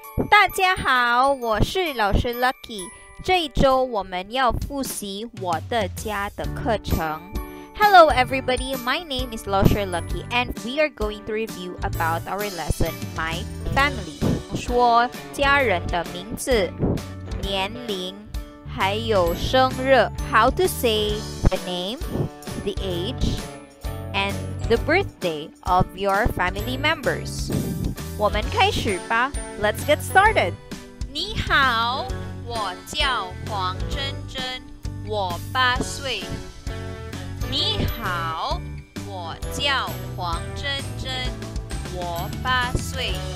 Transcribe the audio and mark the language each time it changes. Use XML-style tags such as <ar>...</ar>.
<zh>大家好，我是老师 Lucky。这一周我们要复习我的家的课程。</zh> <en>Hello everybody, my name is Lao Shui Lucky and we are going to review about our lesson My Family.</en> <zh>说家人的名字、年龄、还有生日。</zh> <en>How to say the name, the age, and the birthday of your family members.</en> <zh>我们开始吧。</zh> <en>Let's get started.</en> <zh>你好，我叫黄珍珍，我八岁。你好，我叫黄珍珍，我八岁。</zh>